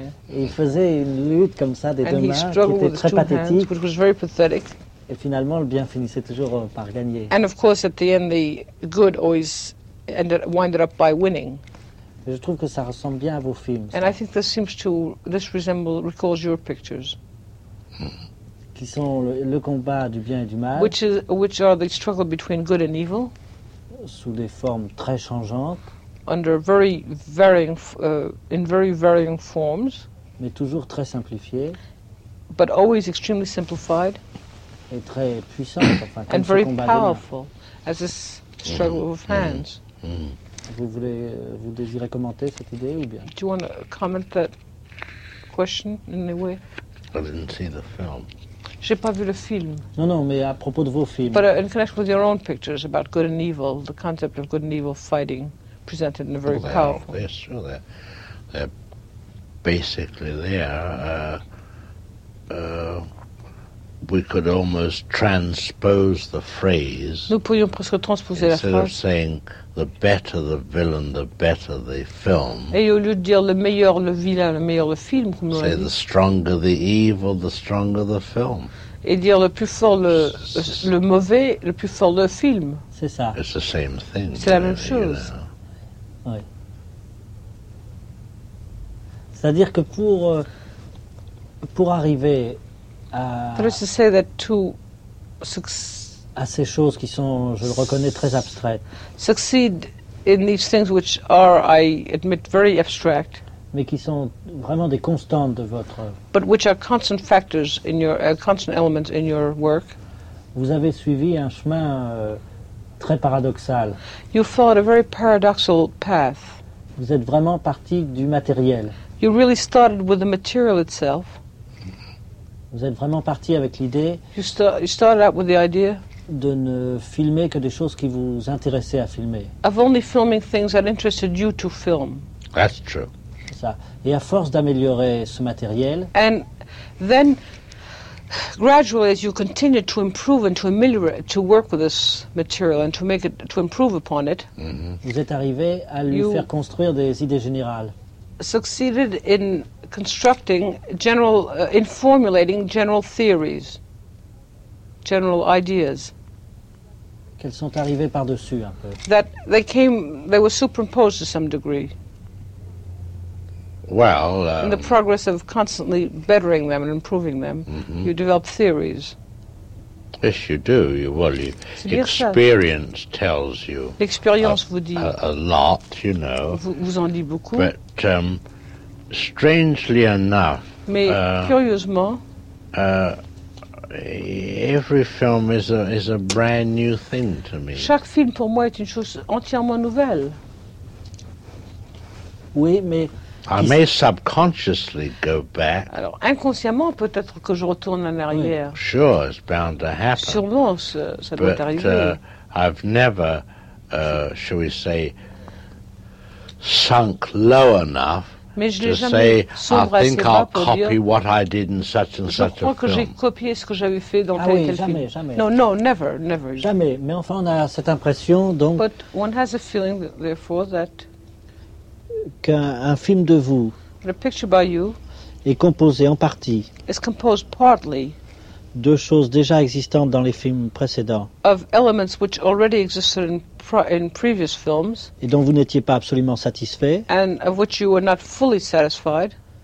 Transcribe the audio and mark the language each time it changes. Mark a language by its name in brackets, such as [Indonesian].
[French] Et il faisait une lutte comme ça des [English] and [French] deux mains, qui était très pathétique. [English] Hands, which was very pathetic. [French] Et finalement, le bien finissait toujours par gagner. [English] And of course, at the end, the good always ended, winded up by winning. [French] Et je trouve que ça ressemble bien à vos films. [English] And [French] ça. [English] I think this seems to this resemble recalls your pictures. [French] Qui sont le combat du bien et du mal. [English] Which are the struggle between good and evil. [French] Sous des formes très changeantes. [English] Under very varying in very varying forms. [French] Mais toujours très simplifiées. [English] But always extremely simplified. [French] Et très puissante, enfin, [English] and very powerful, as this struggle of hands. [French] Vous désirez commenter cette idée ou bien? [English] Do you want to comment that question in any way? I didn't see the film. [French] J'ai pas vu le film. Non, non, mais à propos de vos films. [English] But in connection with your own pictures about good and evil, the concept of good and evil fighting presented in a very powerful. Well, yes, sure, they're basically there. We could almost transpose the phrase. [French] Nous pourrions presque transposer la phrase. [English] Instead of saying the better the villain, the better the film. [French] Et au lieu de dire le meilleur le vilain, le meilleur le film, comme on [English] dit. Say the stronger the evil, the stronger the film. [French] Et dire le plus fort le mauvais, le plus fort le film. C'est ça. [English] It's the same thing. [French] C'est la même chose. Oui. C'est-à-dire que pour arriver. [English] That is to say that to [French] à ces choses qui sont, je le reconnais, très abstraites. [English] Succeed in these things which are, I admit, very abstract. [French] Mais qui sont vraiment des constantes de votre. [English] But which are constant factors in your constant elements in your work. [French] Vous avez suivi un chemin très paradoxal. [English] You followed a very paradoxal path. [French] Vous êtes vraiment parti du matériel. [English] You really started with the material itself. [French] Vous êtes vraiment parti avec l'idée [English] you started out with the idea [French] de ne filmer que des choses qui vous intéressaient à filmer. [English] Of only filming things that interested you to film. That's true. [French] Ça. Et à force d'améliorer ce matériel, [English] and then gradually as you continued to improve and to ameliorate, to work with this material and to make it to improve upon it, [French] vous êtes arrivé à lui faire construire des idées générales. [English] Succeeded in constructing general, in formulating general theories, general ideas. [French] qu'elles sont arrivées par-dessus un peu. [English] That they came, they were superimposed to some degree. Well, in the progress of constantly bettering them and improving them, mm-hmm. you develop theories. Yes, you do. Experience tells you. [French] L'expérience vous dit. [English] A lot, you know. [French] Vous en dit beaucoup. [English] But strangely enough. [French] Mais curieusement. [English] Every film is a brand new thing to me. [French] Chaque film pour moi est une chose entièrement nouvelle. Oui, mais. [English] I may subconsciously go back. [French] Alors, inconsciemment, peut-être que je retourne en arrière. [English] Oui. Sure, it's bound to happen. [French] Sûrement, ça doit arriver. [English] But I've never, shall we say, sunk low enough to say, I think I'll copy what I did in such and such a film. [French] Je crois que j'ai copié ce que j'avais fait dans tel film. Ah oui, jamais. [English] No, never. [French] Jamais, mais enfin, on a cette impression, donc... [English] But one has a feeling, therefore, that... [French] qu'un film de vous [English] a picture by you [French] est composé en partie [English] is composed partly [French] de choses déjà existantes dans les films précédents [English] of elements which already existed in previous films [French] et dont vous n'étiez pas absolument satisfait [English] and of which you were not fully satisfied